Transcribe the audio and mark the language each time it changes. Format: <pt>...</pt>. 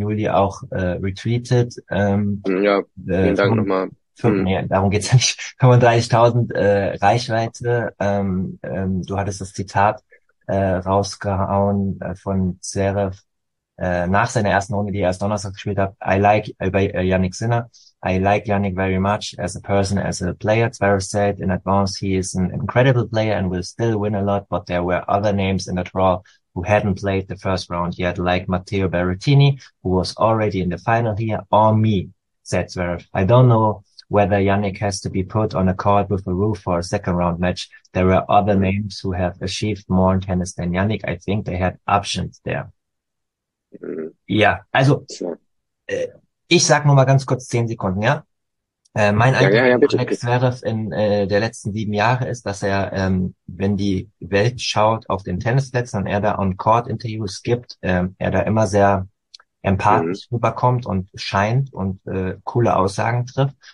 <de>Juli auch retweetet. Ja, vielen Dank nochmal. Nee, darum geht es ja nicht. 35.000 Reichweite. Du hattest das Zitat rausgehauen von Zverev nach seiner ersten Runde, die er erst Donnerstag gespielt hat.</de> <en>I like</en> <de>über Jannik Sinner.</de> <en>I like Jannik very much as a person, as a player. Zverev said in advance he is an incredible player and will still win a lot, but there were other names in the draw who hadn't played the first round yet, like Matteo Berrettini, who was already in the final here, or me, said Zverev. I don't know whether Jannik has to be put on a court with a roof for a second round match. There were other names who have achieved more in tennis than Jannik. I think they had options there.</en> <de>Ja, also, ich sage nur mal ganz kurz 10 Sekunden, ja. Mein Ja, Eindruck von bitte, Alex Zverev in der letzten 7 Jahre ist, dass er, wenn die Welt schaut auf den Tennisplätzen und er da On-Court-Interviews gibt, er da immer sehr empathisch rüberkommt und scheint und coole Aussagen trifft.</de>